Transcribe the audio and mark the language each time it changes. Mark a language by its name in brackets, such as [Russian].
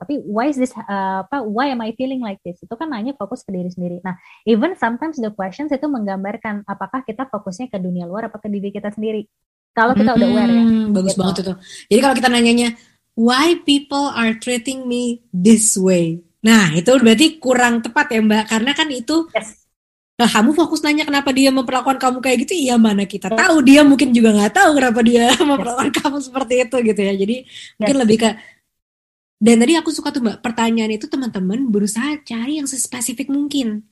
[English] Tapi why is this why am I feeling like this? [Indonesian] Itu kan nanya fokus ke diri sendiri. Nah, [English] even sometimes the questions [Indonesian] itu menggambarkan apakah kita fokusnya ke dunia luar apa ke diri kita sendiri. Kalau kita udah aware ya. Bagus gitu. Banget itu. Jadi kalau kita nanyanya [English] why people are treating me this way? [Indonesian] Nah, itu berarti kurang tepat ya, Mbak. Karena kan itu nah, kamu fokus nanya kenapa dia memperlakukan kamu kayak gitu. Iya, mana kita tahu. Dia mungkin juga gak tahu kenapa dia memperlakukan kamu seperti itu gitu ya. Jadi mungkin lebih ke. Dan tadi aku suka tuh, Mbak, pertanyaan itu teman-teman berusaha cari yang sespesifik mungkin.